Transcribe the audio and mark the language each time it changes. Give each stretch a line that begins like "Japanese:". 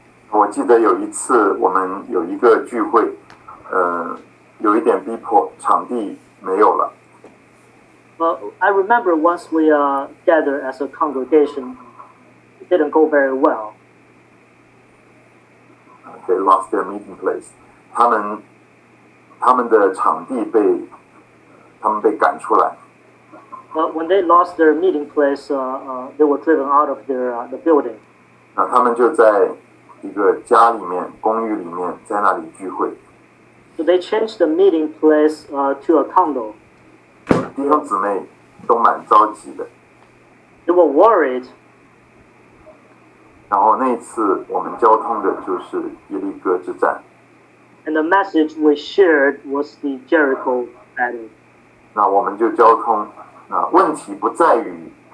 Chinese: 我记得有一次我们有一个聚会。有一点逼迫，场地没有了。
English: I remember once we gathered as a congregation, it didn't go very well. They lost their meeting place.
Chinese: 他们的场地被他们被赶出来。
English: But when they lost their meeting place, they were driven out of their the building.
Chinese: 那他们就在一个家里面、公寓里面，在那里聚会。
English: So they changed the meeting place to a condo.
Chinese: 弟兄姊妹都蛮着急的。
English: They were worried.
Chinese: 然后那次我们交通的就是耶利哥之战。
English: And the message we shared was the Jericho battle.
Chinese: 那我们就交通，那问题不在于